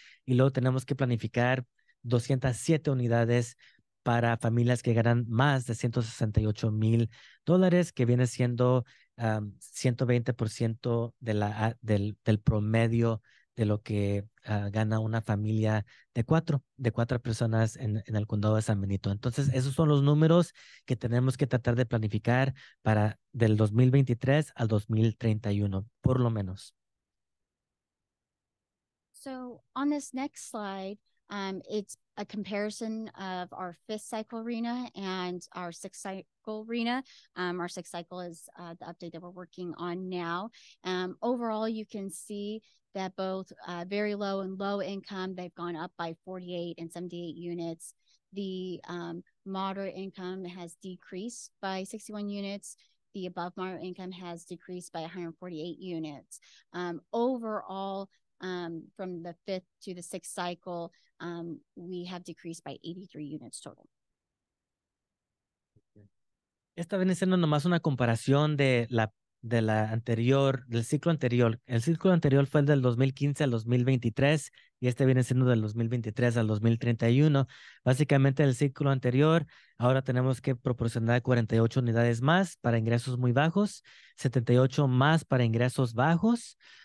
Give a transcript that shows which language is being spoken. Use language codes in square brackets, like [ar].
[es] Y luego tenemos que planificar 207 unidades para familias que ganan más de $168,000, que viene siendo 120% del promedio de lo que gana una familia de cuatro personas en el condado de San Benito. Entonces, esos son los números que tenemos que tratar de planificar para del 2023 al 2031, por lo menos. [en] So on this next slide, it's a comparison of our fifth cycle RENA and our sixth cycle RENA. Our sixth cycle is the update that we're working on now. Overall, you can see that both very low and low income, they've gone up by 48 and 78 units. The moderate income has decreased by 61 units. The above moderate income has decreased by 148 units. Overall, from the fifth to the sixth cycle, we have decreased by 83 units total. [es] Esta viene siendo nomás una comparación de la anterior, del ciclo anterior. El ciclo anterior fue el del 2015 al 2023 y este viene siendo del 2023 al 2031. Básicamente, el ciclo anterior, ahora tenemos que proporcionar 48 unidades más para ingresos muy bajos, 78 más para ingresos bajos.